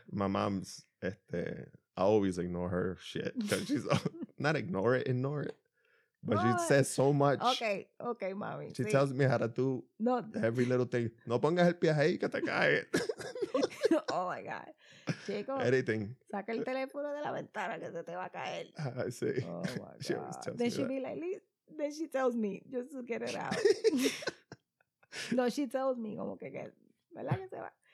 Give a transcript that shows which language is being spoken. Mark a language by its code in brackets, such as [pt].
[en] My mom's, I always ignore her shit. Because she's, not ignore it, ignore it. But she says so much. Okay, okay, mami. She tells me how to do every little thing. [es] No pongas el pie ahí que te cae. [en] Oh, my God. Chico. Anything. [es] Saca el teléfono de la ventana que se te va a caer. [en] I see. Oh, my God. She always tells me that. Then she be like, then she tells me, just to get it out. No, she tells me, [es] como que, ¿verdad que se va?